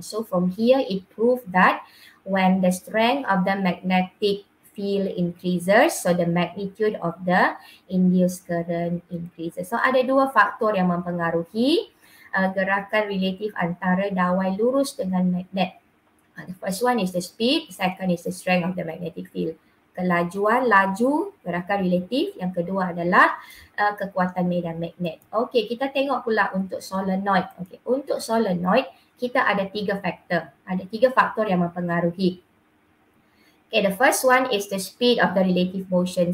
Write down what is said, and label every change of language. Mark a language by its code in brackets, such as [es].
[en] So from here it proves that when the strength of the magnetic field increases, so the magnitude of the induced current increases. [ms] So ada dua faktor yang mempengaruhi gerakan relatif antara dawai lurus dengan magnet. [en] The first one is the speed, second is the strength of the magnetic field. [ms] Kelajuan, laju, gerakan relatif. Yang kedua adalah kekuatan medan magnet. Okey, kita tengok pula untuk solenoid. Okey, untuk solenoid, kita ada tiga faktor. Ada tiga faktor yang mempengaruhi. [en] Okey, the first one is the speed of the relative motion.